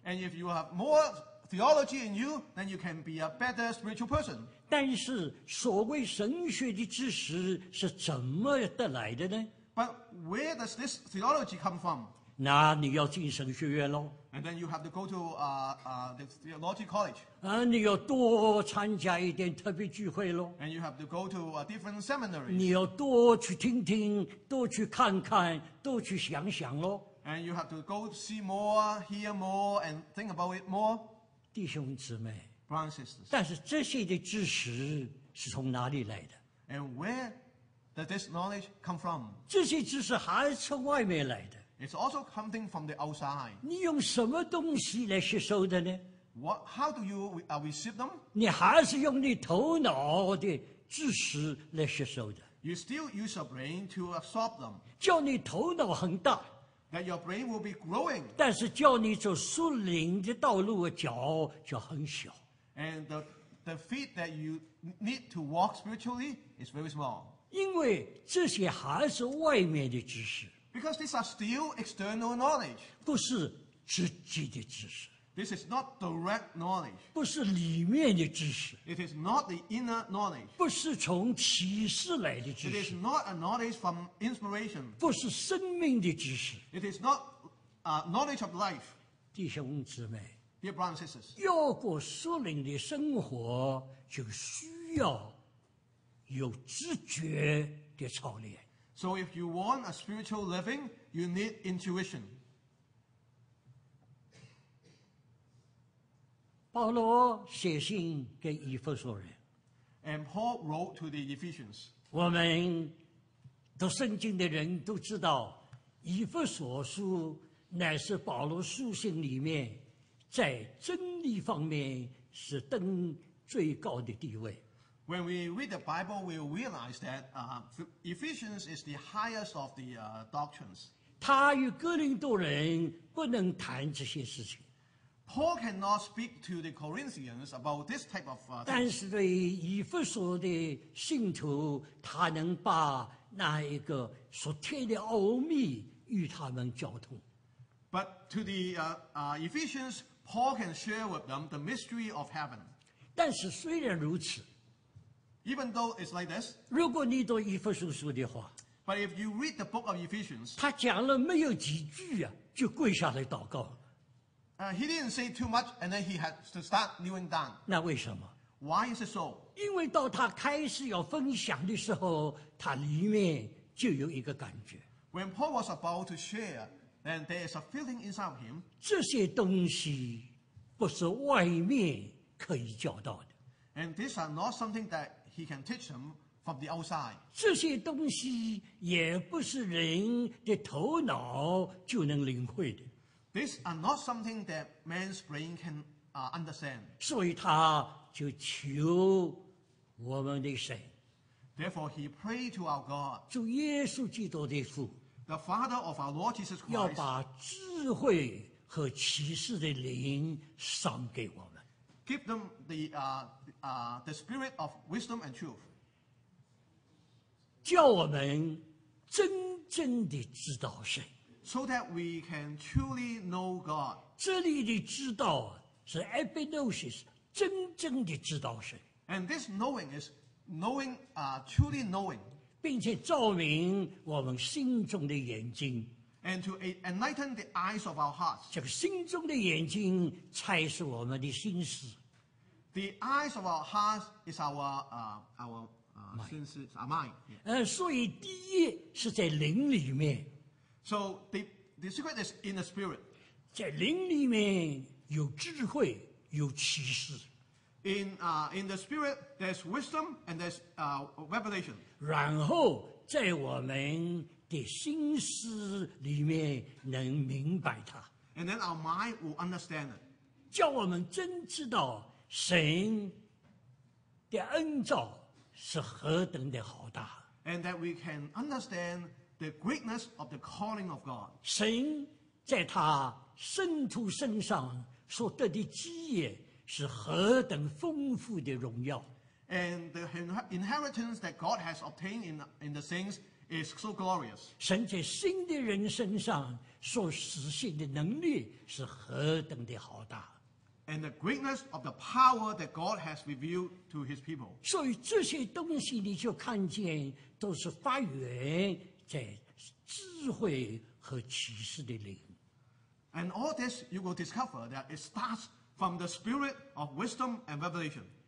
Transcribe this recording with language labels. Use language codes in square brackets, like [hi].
[en] And if you have more theology in you, then you can be a better spiritual person. [zh] 但是所谓神学的知识是怎么得来的呢？ [en] But where does this theology come from? [zh] 那你要进神学院咯。 [en] And then you have to go to the theology college. [zh] 你要多参加一点特别聚会咯。 [en] And you have to go to a different seminary. [zh] 你要多去听听，多去看看，多去想想咯。 [en] And you have to go see more, hear more, and think about it more. [zh] 弟兄姊妹 [en] Francis, [zh] 但是这些的知识是从哪里来的 [en] And where does this knowledge come from? [zh] 这些知识还是从外面来的 [en] It's also coming from the outside [zh] 你用什么东西来吸收的呢 [en] What, how do you receive them? [zh] 你还是用你头脑的知识来吸收的。 [en] You still use your brain to absorb them. [zh] 叫你头脑很大。 [en] That your brain will be growing. [zh] 但是叫你走树林的道路的脚就很小。 [en] And the feet that you need to walk spiritually is very small. [zh] 因为这些还是外面的知识。 [en] Because these are still external knowledge. [zh] 不是直接的知识。 [en] This is not direct knowledge. [zh] 不是里面的知识。 [en] It is not the inner knowledge. [zh] 不是从启示来的知识。 [en] It is not a knowledge from inspiration. [zh] 不是生命的知识。 [en] It is not a knowledge of life. [zh] 弟兄姊妹。 [en] Dear brothers and sisters. [zh] 要过属灵的生活就需要有直觉的操练。 [en] So if you want a spiritual living, you need intuition. [zh] 保罗写信给以弗所人。 [en] And Paul wrote to the Ephesians. [zh] 我们读圣经的人都知道，以弗所书乃是保罗书信里面在真理方面是登最高的地位。 [en] When we read the Bible, we realize that Ephesians is the highest of the doctrines. [zh] 他与哥林多人不能谈这些事情。 [en] Paul cannot speak to the Corinthians about this type of things. [zh] 但是对以弗所的信徒，他能把那一个属天的奥秘与他们交通。 [en] But to the Ephesians, Paul can share with them the mystery of heaven. [zh] 但是虽然如此。 [en] Even though it's like this, [zh] 如果你读以弗所书的话， [en] but if you read the book of Ephesians, [zh] 他讲了没有几句啊，就跪下来祷告。 [en] He didn't say too much, and then he had to start kneeling down. [zh] 那为什么？ [en] Why is it so? [zh] 因为到他开始要分享的时候，他里面就有一个感觉。 [en] When Paul was about to share, then there is a feeling inside of him. [zh] 这些东西不是外面可以教导的。 [en] And these are not something that he can teach them from the outside. [zh] 这些东西也不是人的头脑就能领会的。 [en] These are not something that man's brain can understand. [zh] 所以他就求我们的神。 [en] Therefore, he prayed to our God. [zh] 主耶稣基督的父。 [en] The Father of our Lord Jesus Christ. [zh] 要把智慧和启示的灵赏给我们。 [en] Give them the spirit of wisdom and truth. [zh] 叫我们真正的知道神。 [en] So that we can truly know God. [zh] 这里的知道是 epignosis, 真正的知道神。 [en] And this knowing is knowing, truly knowing. [zh] 并且照明我们心中的眼睛。 [en] And to enlighten the eyes of our hearts. [zh] 这个心中的眼睛才是我们的心思。 [en] The eyes of our hearts is our mind. [zh] 心思 [en] our mind.、 [zh] Yeah. 所以第一是在灵里面。 [en] So the secret is in the spirit. [zh] 在灵里面有智慧，有启示。 [en] In the spirit, there's wisdom and there's revelation. [zh] 然后在我们的心思里面能明白它。 [en] And then our mind will understand it. [zh] 叫我们真知道神的恩召是何等的浩大。 [en] And that we can understand the greatness of the calling of God. [zh] 神在他圣徒身上所得的基业是何等丰富的荣耀。 [en] And the inheritance that God has obtained in the saints is so glorious. [zh] 神在新的人身上所实现的能力是何等的浩大。 [en] And the greatness of the power that God has revealed to his people. [zh] 所以这些东西你就看见都是发源在智慧和启示的灵。 [en] And all this you will discover that it starts from the spirit of wisdom and revelation.